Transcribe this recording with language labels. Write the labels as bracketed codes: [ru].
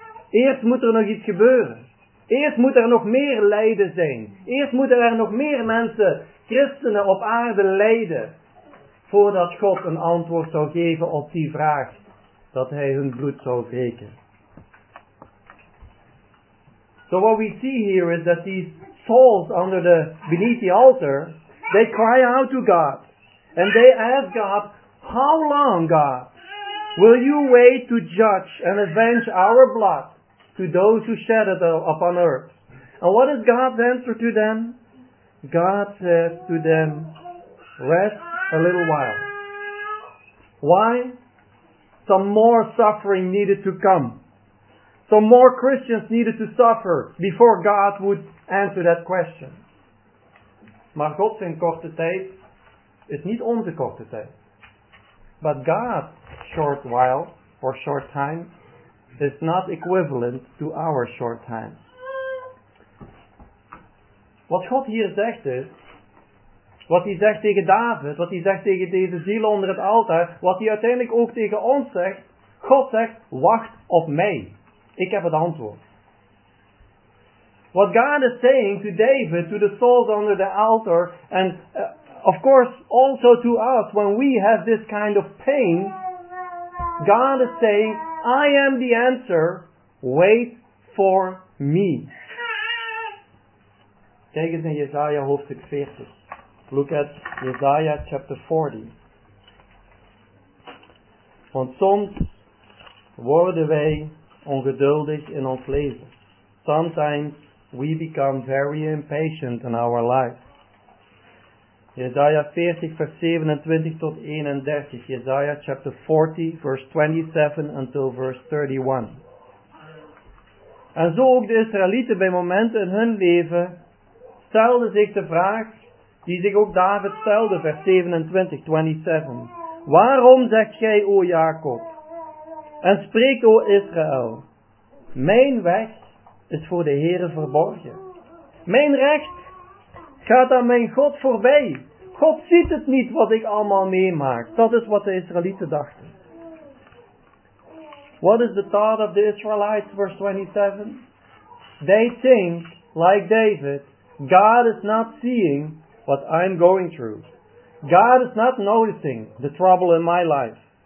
[nl] Eerst moet er nog iets gebeuren. Eerst moet er nog meer lijden zijn. Eerst moeten er nog meer mensen, christenen op aarde lijden, voordat God een antwoord zou geven op die vraag. Dat hij hun bloed zou wreken. [en] So what we see here is that these souls under the beneath the altar, they cry out to God. And they ask God, how long, God, will you wait to judge and avenge our blood to those who shed it upon earth? And what is God's answer to them? God says to them, rest a little while. Why? Some more suffering needed to come. Some more Christians needed to suffer before God would answer that question. [nl] Maar God zijn korte tijd is niet onze korte tijd. [en] But God's short while or short time is not equivalent to our short time. [nl] Wat God hier zegt is, wat hij zegt tegen David, wat hij zegt tegen deze ziel onder het altaar, wat hij uiteindelijk ook tegen ons zegt, God zegt, wacht op mij. Ik heb het antwoord. [en] What God is saying to David, to the souls under the altar, and of course also to us, when we have this kind of pain, God is saying, I am the answer, wait for me. [nl] Kijk eens in Jesaja hoofdstuk 40. [en] Look at Jesaja chapter 40. [nl] Want soms worden wij ongeduldig in ons leven. [en] Sometimes we become very impatient in our life. [nl] Jesaja 40 vers 27 tot 31. [en] Jesaja chapter 40 verse 27 until verse 31. [nl] En zo ook de Israëlieten bij momenten in hun leven stelden zich de vraag, die zich ook David stelde, vers 27, 27. Waarom zeg jij, o Jacob, en spreek, o Israël, mijn weg is voor de Heere verborgen. Mijn recht gaat aan mijn God voorbij. God ziet het niet wat ik allemaal meemaak. Dat is wat de Israëlieten dachten. [en] What is the thought of the Israelites, verse 27? They think, like David, God is not seeing what I'm going through. God is not noticing the trouble in my life.